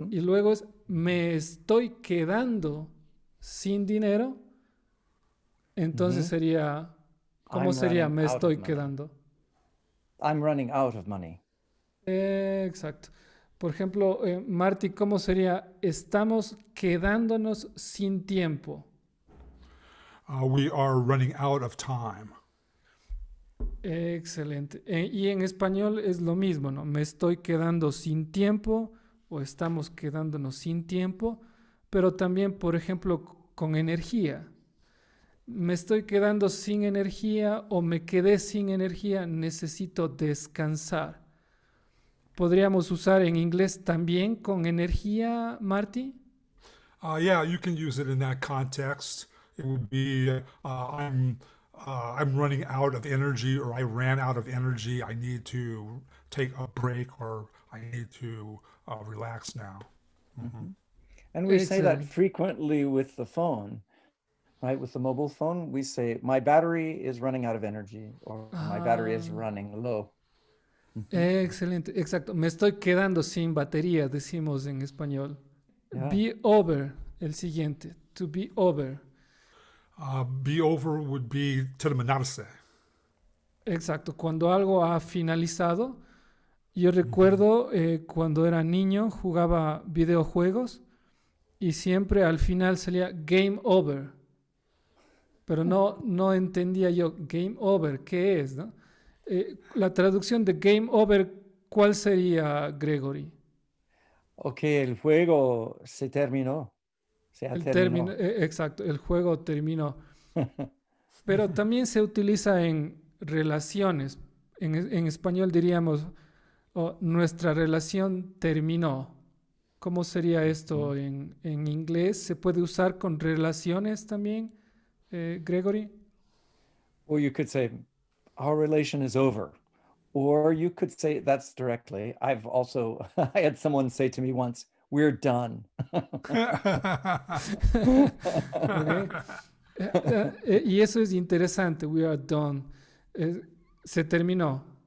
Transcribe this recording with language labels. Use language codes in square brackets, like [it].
[es] Mm-hmm. Y luego es me estoy quedando sin dinero. Entonces mm-hmm. sería, ¿cómo I'm sería me estoy quedando? [en] I'm running out of money. [es] Exacto. Por ejemplo, Marty, ¿cómo sería estamos quedándonos sin tiempo? [en] We are running out of time. [es] Excelente. Y en español es lo mismo, ¿no? Me estoy quedando sin tiempo o estamos quedándonos sin tiempo, pero también, por ejemplo, con energía. Me estoy quedando sin energía o me quedé sin energía, necesito descansar. ¿Podríamos usar en inglés también con energía, Marty? [en] Yeah, you can use it in that context. It would be, I'm running out of energy, or I ran out of energy. I need to take a break, or I need to relax now. Mm-hmm. And we say that frequently with the phone, right? With the mobile phone, we say, my battery is running out of energy, or my battery is running low. [es] Excelente, exacto. Me estoy quedando sin batería, decimos en español. [en] Yeah. Be over, [es] el siguiente, [en] to be over. Be over would be terminarse. [es] Exacto. Cuando algo ha finalizado, yo recuerdo cuando era niño jugaba videojuegos y siempre al final salía game over. Pero no entendía yo game over, ¿qué es? ¿No? La traducción de game over, ¿cuál sería, Gregory? Ok, el juego se terminó. Exacto, el juego terminó. Pero también se utiliza en relaciones. En español diríamos, nuestra relación terminó. ¿Cómo sería esto en inglés? ¿Se puede usar con relaciones también, Gregory? [en] Well, you could say, our relation is over. Or you could say, that's directly. I had someone say to me once, we're done. [es] Okay. Y eso es interesante. [en] We are done. [es] Se terminó.